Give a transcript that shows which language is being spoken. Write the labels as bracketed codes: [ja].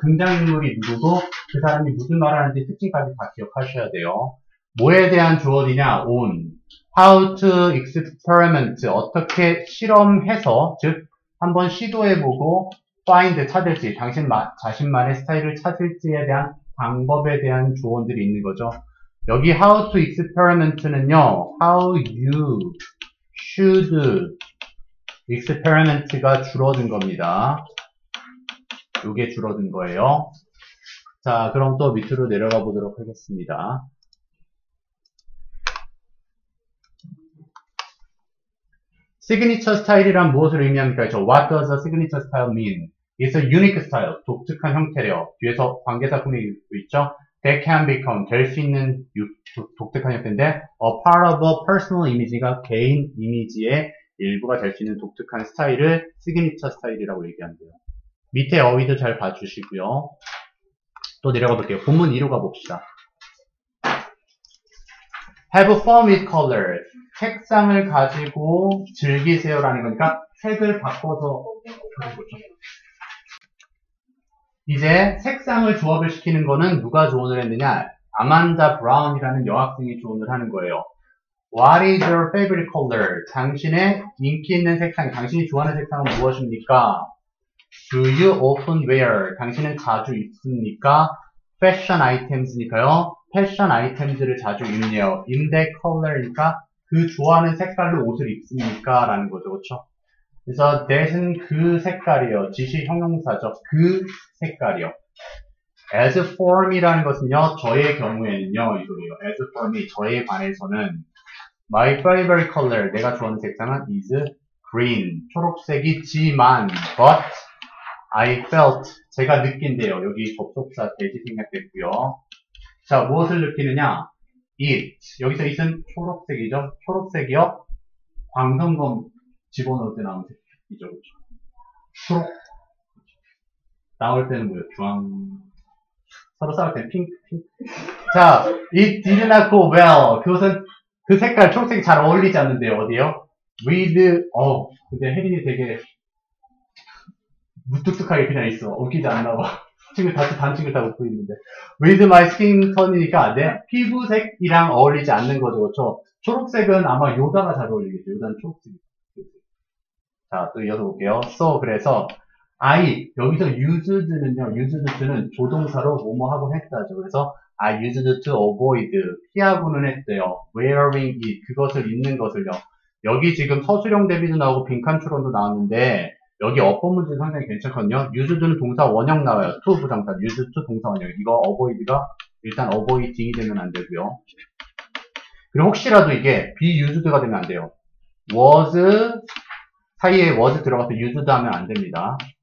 [ko] 등장인물이 누구고 그 사람이 무슨 말하는지 특징까지 다 기억하셔야 돼요. 뭐에 대한 조언이냐? [en] on. How to experiment. [ko] 어떻게 실험해서, 즉, 한번 시도해보고 find, 찾을지, 자신만의 스타일을 찾을지에 대한 방법에 대한 조언들이 있는 거죠. 여기 [en] how to experiment [ko] 는요, [en] how you should experiment [ko] 가 줄어든 겁니다. 이게 줄어든 거예요. 자, 그럼 또 밑으로 내려가 보도록 하겠습니다. 시그니처 스타일이란 무엇을 의미합니까? [en] 저 what does a signature style mean? It's a unique style, [ko] 독특한 형태래요. 뒤에서 관계사구문이 있죠? [en] That can become, [ko] 될수 있는 독특한 형태인데, [en] a part of a personal image [ko] 가 개인 이미지의 일부가 될수 있는 독특한 스타일을 signature style이라고 얘기한대요. 밑에 어휘도 잘 봐주시고요. 또 내려가 볼게요. 본문 2로 가봅시다. [en] Have fun with colors. [ko] 색상을 가지고 즐기세요라는 거니까 색을 바꿔서 가보죠. 이제 색상을 조합을 시키는 거는 누가 조언을 했느냐? 아만다 브라운이라는 여학생이 조언을 하는 거예요. [en] What is your favorite color? [ko] 당신의 인기 있는 색상, 당신이 좋아하는 색상은 무엇입니까? [en] Do you often wear? [ko] 당신은 자주 입습니까? Fashion items니까요. Fashion items를 자주 입네요. [en] In that color [ko] 니까 그 좋아하는 색깔로 옷을 입습니까? 라는 거죠. 그렇죠? 그래서 that은 그 색깔이요. 지시 형용사죠. 그 색깔이요. As form이라는 것은요. 저의 경우에는요. 이거예요. [en] As form이 저에 관해서는 My favorite color, [ko] 내가 좋아하는 색상은 [en] is green. [ko] 초록색이지만, [en] but I felt, [ko] 제가 느낀대요. 여기 접속사 대지 생략됐고요. 자, 무엇을 느끼느냐? It, 여기서 it은 초록색이죠. 초록색이요. 광선검 집어넣을 때 나온 색이죠. 초록. 나올 때는 뭐예요? 주황. 서로 싸울 때 핑크. [en] 자, it did not go well. [ko] 그것은 그 색깔, 초록색이 잘 어울리지 않는데요, 어디요? With, 근데 혜린이 되게 무뚝뚝하게 그냥 있어. 웃기지 않나 봐. 지금 다시 반칙을 다 웃고 있는데. [en] With my skin tone [ko] 이니까 내 피부색이랑 어울리지 않는 거죠, 그렇죠? 초록색은 아마 요다가 잘 어울리겠죠. 요다는 초록색이. 자, 또 이어서 볼게요. So, 그래서 I, 여기서 used는요, used는 조동사로 뭐뭐하고 했다죠. [en] 그래서 I used to avoid, [ko] 피하고는 했대요. Wearing it, 그것을 입는 것을요. 여기 지금 서술형 대비도 나오고 빈칸 추론도 나왔는데 여기 어법문제 상당히 괜찮거든요. used는 동사 원형 나와요. to 부정사, used to 동사 원형. 이거 avoid가 일단 avoiding이 되면 안 되고요. 그리고 혹시라도 이게 be used가 되면 안 돼요. was 사이에 was 들어가서 used 하면 안 됩니다.